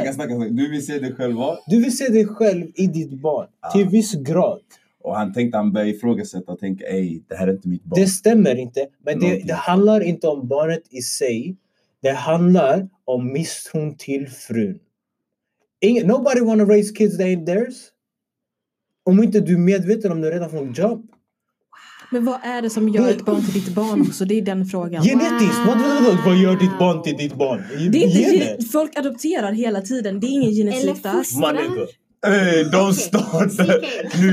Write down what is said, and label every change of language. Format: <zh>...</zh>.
<sv>Okay, snacka. Du vill se dig själv vad? Du vill se dig själv i ditt barn. Ah. Till viss grad. Och han tänkte han började ifrågasätta och tänka, ej, det här är inte mitt barn. Det stämmer inte. Men det handlar inte om barnet i sig. Det handlar om misstron till frun.</sv> <en>Nobody wanna raise kids that ain't theirs.</en> <sv>Om inte du medveten om du redan får en jobb. Men vad är det som gör ett barn till ditt barn också? Det är den frågan. Genetiskt! Wow. Vad gör ditt barn till ditt barn? Folk adopterar hela tiden. Det är ingen genetik. Eller fostrar. De startar. Nu</sv>